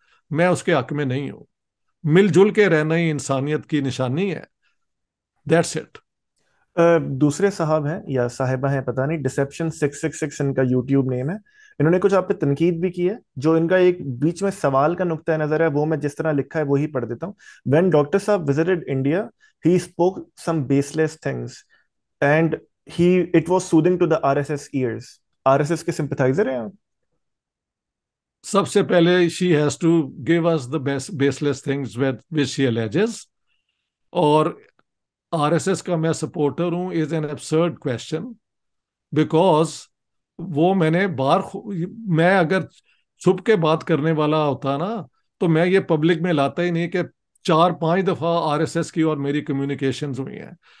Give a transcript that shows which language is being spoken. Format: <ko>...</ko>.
<ur>میں اس کے حق میں نہیں ہوں. مل جل کے رہنا ہی انسانیت کی نشانی ہے.</ur> <en>That's it.</en> <ur>دوسرے صاحب ہیں یا صاحبہ ہیں پتہ نہیں, ڈسیپشن 666 ان کا یوٹیوب نیم ہے. انہوں نے کچھ آپ پہ تنقید بھی کی ہے. جو ان کا ایک بیچ میں سوال کا نقطہ نظر ہے وہ میں جس طرح لکھا ہے وہ ہی پڑھ دیتا ہوں.</ur> <en>When Dr. صاحب visited India, he spoke some baseless things and it was soothing to the RSS ears.</en> <ur>RSS کے سمپتھائزر ہیں آپ؟ سب سے پہلے</ur> <en>she has to give us the baseless things which she alleges,</en> <ur>اور آر ایس ایس کا میں supporter ہوں</ur> <en>is an absurd question, because</en> <ur>وہ میں نے بار میں اگر چھپ کے بات کرنے والا ہوتا نا تو میں یہ پبلک میں لاتا ہی نہیں کہ چار پانچ دفعہ آر ایس ایس کی اور میری کمیونیکیشنز ہوئی ہیں.</ur>